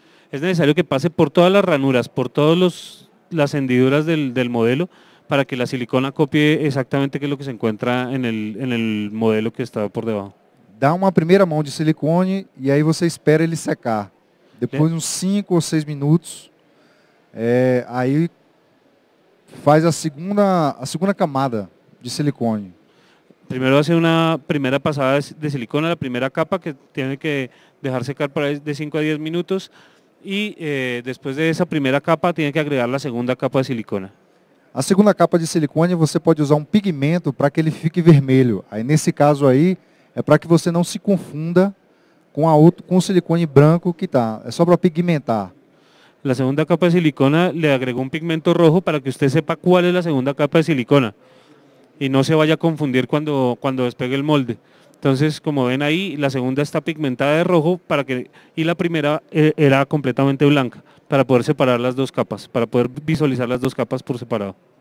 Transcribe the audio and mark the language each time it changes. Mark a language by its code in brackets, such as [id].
[pt] É necessário que passe por todas as ranuras, por todas as hendiduras do modelo, para que a silicona copie exatamente o que se encontra no modelo que está por debaixo. Dá uma primeira mão de silicone e aí você espera ele secar. Depois de uns 5 ou 6 minutos, aí faz a segunda camada de silicone. [es] Primero hace una primera pasada de silicona, la primera capa que tiene que dejar secar por ahí de 5 a 10 minutos y después de esa primera capa tiene que agregar la segunda capa de silicona. [pt] A segunda capa de silicone você pode usar um pigmento para que ele fique vermelho. Aí nesse caso aí é para que você não se confunda com o silicone branco que está. É só para pigmentar. [es] La segunda capa de silicona le agregó un pigmento rojo para que usted sepa cuál es la segunda capa de silicona. Y no se vaya a confundir cuando despegue el molde. Entonces, como ven ahí, la segunda está pigmentada de rojo y la primera era completamente blanca para poder separar las dos capas, para poder visualizar las dos capas por separado.